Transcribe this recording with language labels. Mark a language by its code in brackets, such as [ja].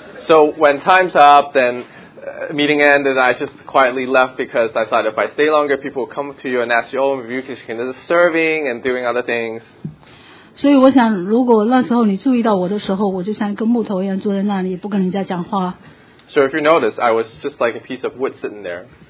[en] So when time's up, then meeting ended, I just quietly left because I thought if I stay longer, people will come to you and ask you, oh, maybe you can continue serving and doing other things. [zh] 所以我想如果那时候你注意到我的时候，我就像一个木头一样坐在那里，不跟人家讲话。 [en] So if you notice, I was just like a piece of wood sitting there.